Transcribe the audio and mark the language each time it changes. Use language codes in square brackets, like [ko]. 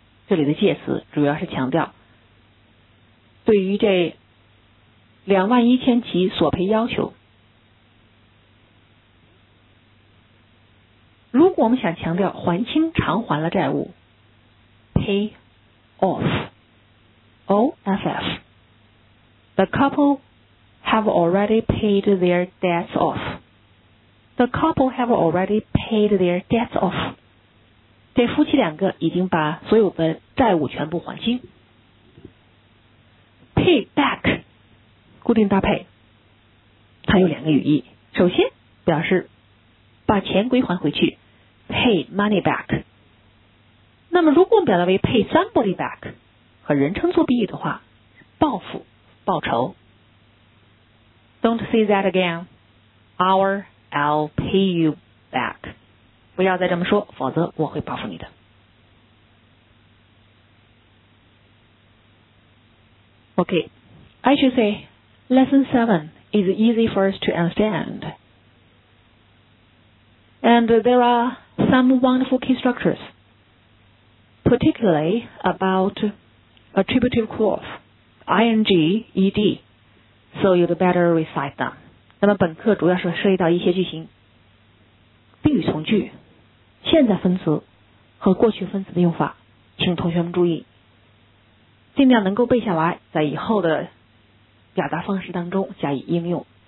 [zh] 这里的介词主要是强调对于这21,000起索赔要求。如果我们想强调还清偿还了债务 ，pay off， [en] OFF. The couple have already paid their debts off. The couple have already paid their debts off. [zh] 这夫妻两个已经把所有的债务全部还清。 [en] Pay back, [zh] 固定搭配，它有两个语义。首先表示把钱归还回去， pay money back。那么如果表达为 pay somebody back, 和人称作比喻的话，报复、报仇。 [en] Don't say that again, or I'll pay you back. [zh] 不要再这么说，否则我会报复你的。 [en] Okay, I should say, lesson 7 is easy for us to understand. And there are some wonderful key structures, particularly about attributive clause, ing, ed, so you'd better recite them. [zh] 那么本课主要是涉及到一些句型，宾语从句、现在分词和过去分词的用法，请同学们注意。尽量能够背下来，在以后的表达方式当中加以应用。